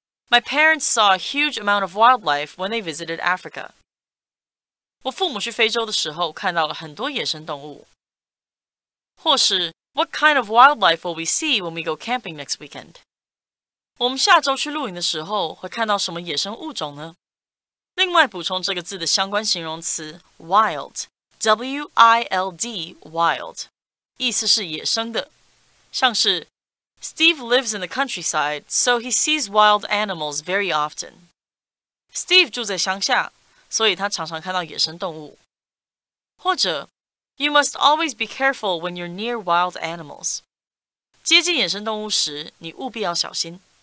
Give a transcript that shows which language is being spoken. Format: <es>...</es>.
<en>My parents saw a huge amount of wildlife when they visited Africa.</en> <zh>我父母去非洲的时候看到了很多野生动物。或是</zh> <en>What kind of wildlife will we see when we go camping next weekend?</en> <zh>我们下周去露营的时候会看到什么野生物种呢？另外补充这个字的相关形容词 wild, W-I-L-D, wild, 意思是野生的，像是</zh> <en>Steve lives in the countryside, so he sees wild animals very often.</en> <zh>Steve 住在乡下，所以他常常看到野生动物。或者</zh> <en>You must always be careful when you're near wild animals.</en> <zh>接近野生动物时，你务必要小心。</zh>